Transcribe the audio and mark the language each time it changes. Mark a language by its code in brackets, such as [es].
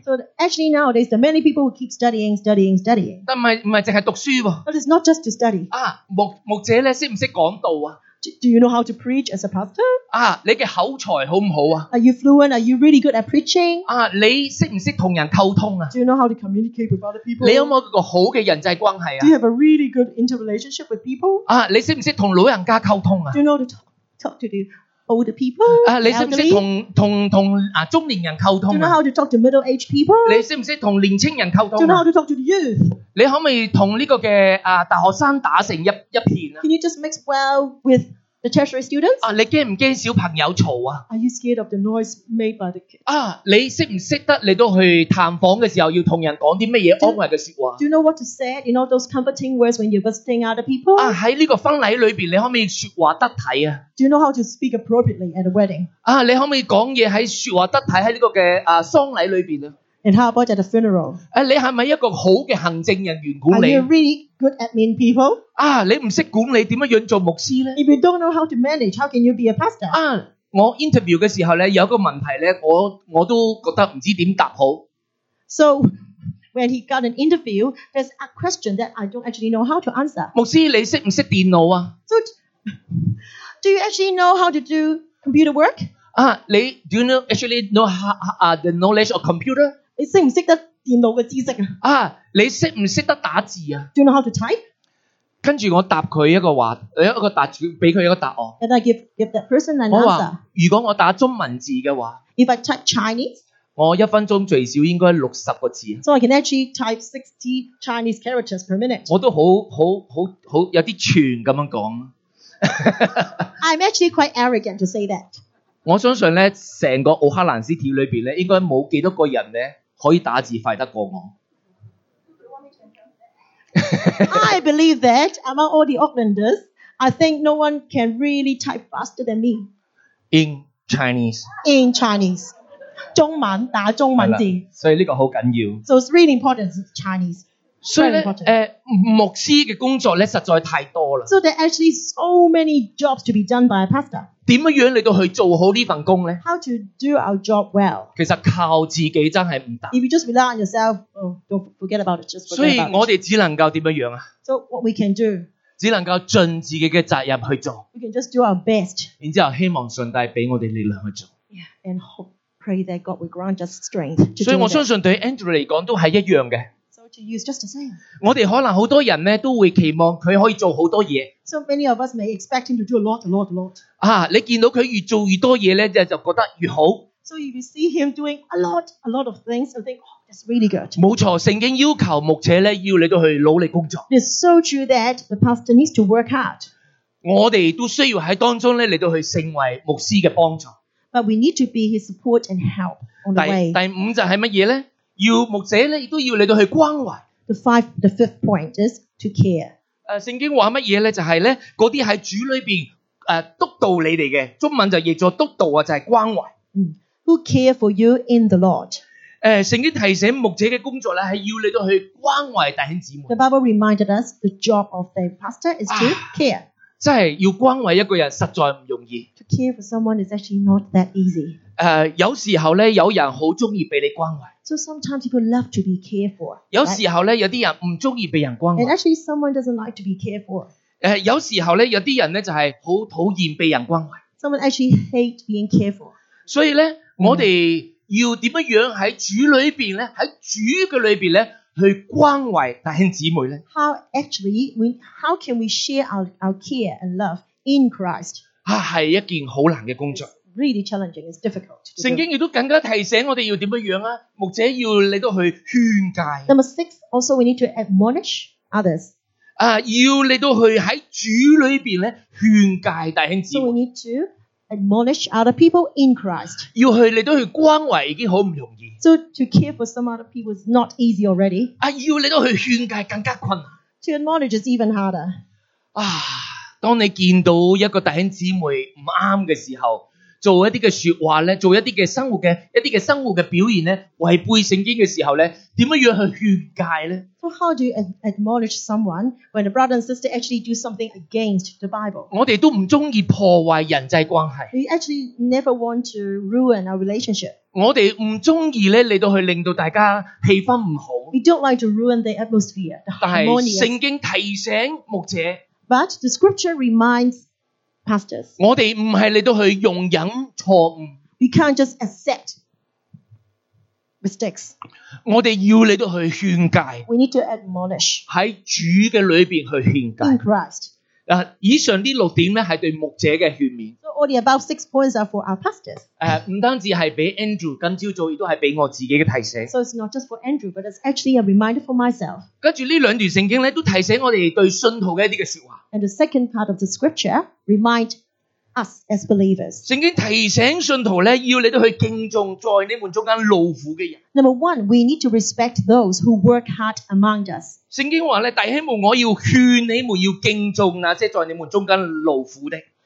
[en] So actually nowadays, there are many people who keep studying. [yue] 但唔系净系读书喎。 [en] But it's not just to study. [yue] 牧者咧识唔识讲道啊 [en] ？Do you know how to preach as a pastor？ [yue] 你嘅口才好唔好啊 [en] ？Are you fluent？ Are you really good at preaching？ [yue] 你识唔识同人沟通啊 [en] ？Do you know how to communicate with other people？ [yue] 你有冇一个好嘅人际关系啊 [en] ？Do you have a really good interrelationship with people？ [yue] 你识唔识同老人家沟通啊 [en] ？Do you know how to talk to the older people, [yue] 你识唔识同中年人沟通 [en] ？Do you know how to talk to middle-aged people？ [yue] 你识唔识同年青人沟通 [en] ？Do you know how to talk to the youth？ [yue] 你可唔可以同呢个嘅大学生打成一片 [en] ？Can you just mix well with the tertiary students？ [yue] 你惊唔惊小朋友嘈啊 [en] ？Are you scared of the noise made by the kids？ [yue] 你识唔识得嚟到去探访嘅时候要同人讲啲乜嘢安慰嘅说话 [en] ？Do you know what to say in all those comforting words when you're visiting other people？ [yue] 喺呢个婚礼里边，你可唔可以说话得体啊？ [en] Do you know how to speak appropriately at a wedding? [yue] 你可唔可以讲嘢喺说话得体喺呢个嘅丧礼里边啊 [en] ？And how about at a funeral? [yue] 你系咪一个好嘅行政人员管理 [en] ？Are you really good admin people? [yue] 你唔识管理，点样样做牧师咧 [en] ？If you don't know how to manage, how can you be a pastor? [yue] 我 interview 嘅时候咧，有一个问题咧，我都觉得唔知点答好。 [en] So when he got an interview, there's a question that I don't actually know how to answer. [yue] 牧师，你识唔识电脑啊 [en] ？So Do you actually know how to do computer work? Do you know actually know the knowledge of computer? [yue] 你识唔识得电脑嘅知识啊？你识唔识得打字啊 [en] ？Do you know how to type? [yue] 跟住我答佢一个话，一个答住俾佢一个答案。 [en] And I give that person an answer. [yue] 我话如果我打中文字嘅话 [en] ，If I type Chinese, [yue] 我一分钟最少应该60个字。 [en] So I can actually type 60 Chinese characters per minute. [yue] 我都好有啲串咁样讲。 [en] I'm actually quite arrogant to say that. [yue] 我相信咧，成个奥克兰斯体里边咧，应该冇几多个人咧可以打字快得过我。 [en] I believe that among all the Aucklanders, I think no one can really type faster than me. In Chinese. In Chinese. [yue] 中文打中文字。所以呢个好紧要。 [en] So it's really important Chinese. [yue] 所以咧，牧師嘅工作咧實在太多啦。 [en] So there are actually so many jobs to be done by a pastor. [yue] 點樣嚟到去做好呢份工咧 [en] ？How to do our job well？ [yue] 其實靠自己真係唔得。 [en] If you just rely on yourself, don't forget about it. Just forget about it. [yue] 所以我哋只能夠點樣樣啊 [en] ？So what we can do？ [yue] 只能夠盡自己嘅責任去做。 [en] We can just do our best. [yue] 然之後希望上帝俾我哋力量去做。 [en] Yeah, and pray that God will grant us strength. [yue] 所以我相信對 Andrew 嚟講都係一樣嘅。 [en] To use just the same. So many of us may expect him to do a lot, a lot, a lot. Ah, you see, he's doing more and more, you feel more and more. So you see him doing a lot, a lot of things, you think, oh, that's really good. So you see him doing a lot, a lot of things, you think, oh, that's really good. [yue] 没错，圣经要求牧者咧要你都去努力工作。 [en] It's so true that the pastor needs to work hard. [yue] 我哋都需要喺当中咧嚟到去成为牧师嘅帮助。 [en] But we need to be his support and help on the way. [yue] 第五就系乜嘢咧？要牧者咧，亦都要你到去关怀。 [en] The fifth point is to care。 [yue] 圣经话乜嘢咧？就系咧，嗰啲喺主里边督导你哋嘅，中文就译作督导啊，就系关怀。 [en] Who care for you in the Lord？ [yue] 圣经提醒牧者嘅工作咧，系要你到去关怀弟兄姊妹。 [en] The Bible reminded us the job of the pastor is to care。 [yue] 真系要关怀一个人，实在唔容易。 [en] To care for someone is actually not that easy。 [yue] 有时候咧，有人好中意俾你关怀。 [en] So sometimes people love to be cared for. [yue] 有时候咧，有啲人唔中意被人关怀。 [en] And actually, someone doesn't like to be cared for. [yue] 有时候咧，有啲人咧就系好讨厌被人关怀。 [en] Someone actually hate being cared for. [yue] 所以咧，我哋要点样样喺主里边咧，喺主嘅里边咧去关怀弟兄姊妹咧 [en] ？How can we share our care and love in Christ？ [yue] 系一件好难嘅工作。 [en] Really challenging, it's difficult. [yue] 圣经亦都更加提醒我哋要点样啊？牧者要你都去劝戒。 [en] Number six, also we need to admonish others. [yue] 要你都去喺主里边咧劝戒弟兄姊妹。 [en] So we need to admonish other people in Christ. [yue] 要去你都去关怀已经好唔容易。 [en] So to care for some other people is not easy already. [yue] 要你都去劝戒更加困难。 [en] To admonish is even harder. [yue] 当你见到一个弟兄姊妹唔啱嘅时候。做一啲嘅说话咧，做一啲嘅生活嘅一啲嘅生活嘅表现咧，违背圣经嘅时候咧，点样样去劝戒咧 [en] ？So how do you admonish someone when a brother and sister actually do something against the Bible？ [yue] 我哋都唔中意破坏人际关系。 [en] We actually never want to ruin our relationship。 [yue] 我哋唔中意咧嚟到去令到大家气氛唔好。 [en] We don't like to ruin the atmosphere。 [yue] 但系圣经提醒牧者。 [en] But the scripture reminds。 Pastors. [yue] 我哋唔系嚟到去容忍错误。 [en] We can't just accept mistakes. [yue] 我哋要嚟到去劝戒。 [en] We need to admonish. [yue] 喺主嘅里边去劝戒。 [en] In Christ. [yue] 以上呢六点咧系对牧者嘅劝勉。 [en] So all the above six points are for our pastors. [yue] 唔单止系俾 Andrew， 今朝早亦都系俾我自己嘅提醒。 [en] So it's not just for Andrew， but it's actually a reminder for myself. [yue] 跟住呢两段圣经咧，都提醒我哋对信徒嘅一啲嘅说话。 [en] And the second part of the scripture remind us as believers. [yue] 圣经提醒信徒咧，要你都去敬重在你们中间劳苦嘅人。 [en] Number one, we need to respect those who work hard among us. [yue] 圣经话咧，弟兄们，我要劝你们要敬重那些在你们中间劳苦的。